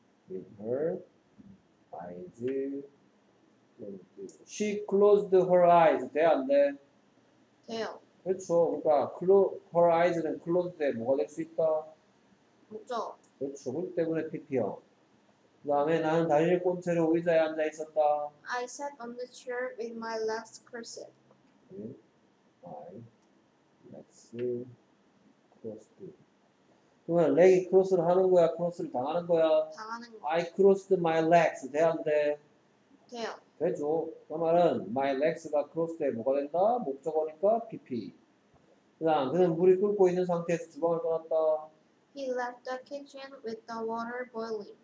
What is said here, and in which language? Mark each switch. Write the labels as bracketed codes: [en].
[en] With her eyes. She closed her eyes. [ko] 돼, 안 돼? 돼요. 그렇죠. 그러니까 her eyes는 closed 돼. 뭐가 될 수 있다? 그렇죠. 그렇죠. 그 때문에 PP요. 그 다음에 나는 달릴 꼰채로 의자에 앉아 있었다. [en] I sat on the chair with my legs crossed. My legs crossed. [ko] 그러면 leg이 cross를 하는 거야? cross를 당하는 거야? 당하는 거야. [en] I crossed my legs. [ko] 돼, 안 돼? 돼요. 되죠. 그 말은 my legs가 cross 돼. 뭐가 된다? 목적어니까 PP. 그 다음, 그는 물이 끓고 있는 상태에서 주방을 떠났다. [en] He left the kitchen with the water boiling.